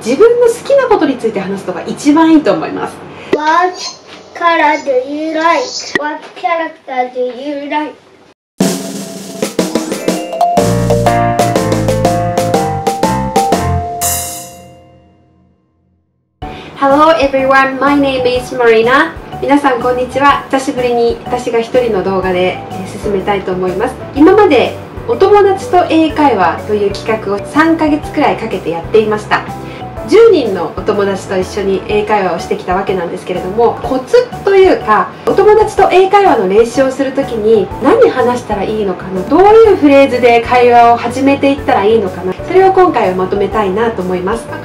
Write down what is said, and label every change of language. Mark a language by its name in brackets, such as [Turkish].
[Japanese] 自分の好きなことについて話すのが一番いいと思います。 [English] What color do you like? What character do you like? Hello everyone, my name is Marina. [Japanese] 皆さんこんにちは。久しぶりに私が一人の動画で進めたいと思います。今までお友達と英会話という企画を3ヶ月くらいかけてやっていました。 10人のお友達と一緒に英会話をしてきたわけなんですけれども、コツというかお友達と英会話の練習をするときに何話したらいいのかな、どういうフレーズで会話を始めていったらいいのかな、それを今回はまとめたいなと思います。